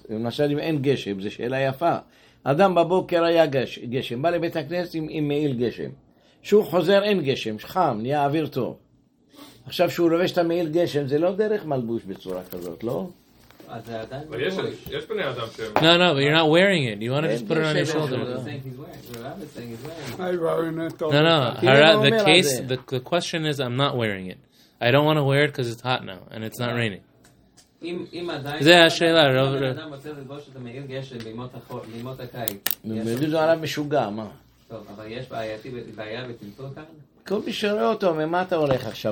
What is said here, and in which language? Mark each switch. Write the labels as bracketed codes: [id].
[he] למשל, אם אין גשם, זו שאלה יפה. אדם בבוקר היה גשם, בא לבית הכנסת עם מעיל גשם. שהוא חוזר, אין גשם, חם, נהיה אוויר טוב. עכשיו שהוא רובש את המעיל גשם, זה לא דרך מלבוש בצורה כזאת, לא? [en] No, no, but you're not wearing it. You want to just put it on your shoulder. No, no. The question is, I'm not wearing it. I don't want to wear it because it's hot now and it's not raining. [he] זה השאלה. אדם רוצה לגבוש את המעיל גשם בימות הקיץ. זה עליו משוגע, מה? טוב, אבל יש בעיה בטמטום כאן? כל מי שראה אותו, ממה אתה הולך עכשיו?